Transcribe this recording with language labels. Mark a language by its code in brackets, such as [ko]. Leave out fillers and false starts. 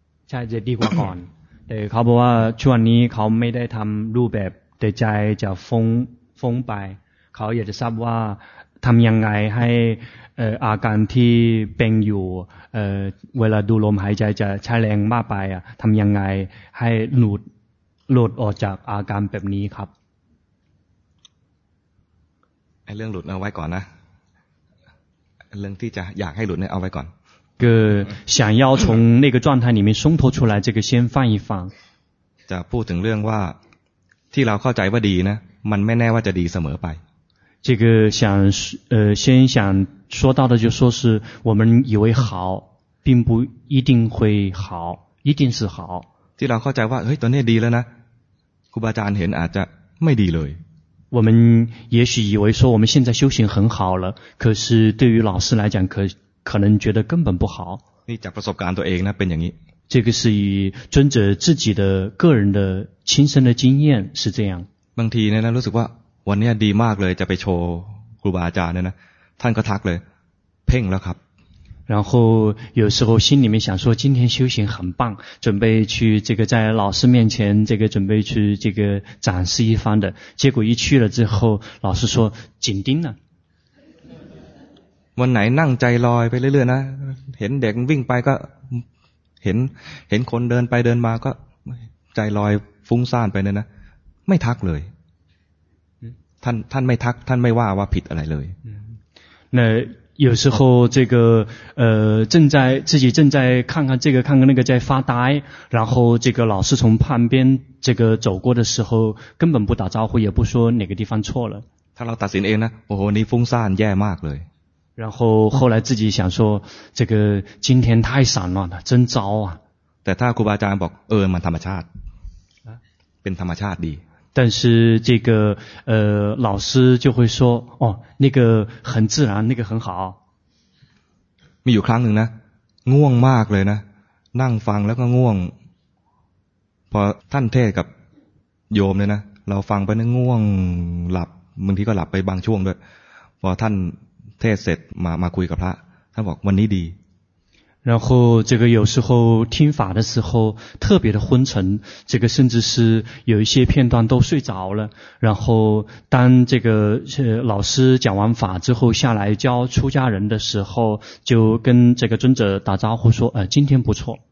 [th] ใช่จะดีกว่าก่อน [zh] 对，他说 [th] ช่วงนี้เขาไม่ได้ทำรูปแบบแต่ใจจะฟุ้งไปเขาอยากจะทราบว่าทำยังไงให้อาการที่เป็นอยู่เวลาดูลมหายใจจะใช้แรงมากไปอ่ะทำยังไงให้หลุดออกจากอาการแบบนี้ครับ ไอ้เรื่องหลุดเอาไว้ก่อนนะเรื่องที่จะอยากให้หลุดเนี่ยเอาไว้ก่อน [zh] ก็想要从那个状态里面松脱出来这个先放一放 [th] จะพูดถึงเรื่องว่าที่เราเข้าใจว่าดีนะมันไม่แน่ว่าจะดีเสมอไป [zh] 这个想先想说到的就说是我们以为好并不一定会好一定是好 [th] ที่เราเข้าใจว่าเฮ้ยตอนนี้ดีแล้วนะครูบาอาจารย์เห็นอาจจะไม่ดีเลย [zh] 我们也许以为说我们现在修行很好了可是对于老师来讲可能觉得根本不好 [th] นี่จากประสบการณ์ตัวเองนะเป็นอย่างนี้ [zh] 这个是以尊者自己的个人的亲身的经验是这样 [th] บางทีเนี่ยนะรู้สึกว่าวันนี้ดีมากเลยจะไปโชว์ครูบาอาจารย์เนี่ยนะท่านก็ทักเลยเพ่งแล้วครับ [zh] 然后有时候心里面想说今天修行很棒准备去这个在老师面前这个准备去这个展示一番的结果一去了之后老师说紧盯了 [th] วันไหนนั่งใจลอยไปเรื่อยๆนะเห็นเด็กวิ่งไปก็เห็นคนเดินไปเดินมาก็ใจลอยฟุ้งซ่านไปเนี่ยนะไม่ทักเลยท่านไม่ทักท่านไม่ว่าว่าผิดอะไรเลย [zh] 那有时候这个正在自己正在看看这个看看那个在发呆然后这个老师从旁边这个走过的时候根本不打招呼也不说哪个地方错了 [th] ถ้าเราตัดสินเองนะโอ้โหนี่ฟุ้งซ่านแย่มากเลย [zh] 然后后来自己想说这个今天太散乱了真糟啊 [th] แต่ถ้าครูบาอาจารย์บอกเออมันธรรมชาติเป็นธรรมชาติดี [zh] 但是这个老师就会说哦那个很自然那个很好 [th] มีอยู่ครั้งหนึ่งนะง่วงมากเลยนะนั่งฟังแล้วก็ง่วงพอท่านเทศกับโยมเนี่ยนะเราฟังไปนะง่วงหลับบางทีก็หลับไปบางช่วงด้วยพอท่านเทศเสร็จมาคุยกับพระท่านบอกวันนี้ดี [zh] 然后这个有时候听法的时候特别的昏沉这个甚至是有一些片段都睡着了然后当这个老师讲完法之后下来教出家人的时候就跟这个尊者打招呼说今天不错